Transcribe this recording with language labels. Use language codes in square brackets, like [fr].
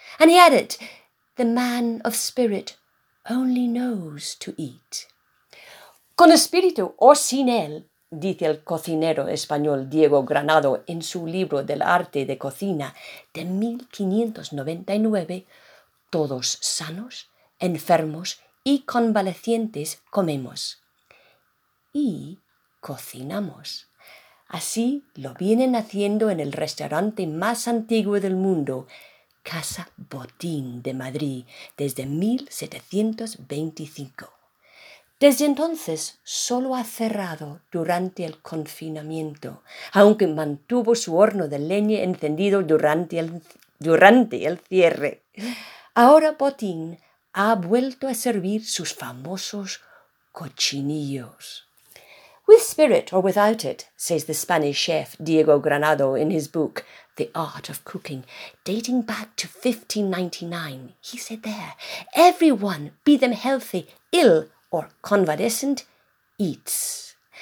[en] And he added, the man of spirit only knows to eat. [es] Con espíritu o sin él, dice el cocinero español Diego Granado en su libro del arte de cocina de 1599, todos sanos, enfermos y convalecientes comemos y cocinamos. Así lo vienen haciendo en el restaurante más antiguo del mundo, Casa Botín de Madrid, desde 1725. Desde entonces solo ha cerrado durante el confinamiento, aunque mantuvo su horno de leña encendido durante el cierre. Ahora Botín ha vuelto a servir sus famosos cochinillos. [en] With spirit or without it, says the Spanish chef Diego Granado in his book, The Art of Cooking, dating back to 1599. He said there, everyone, be them healthy, ill or convalescent, eats.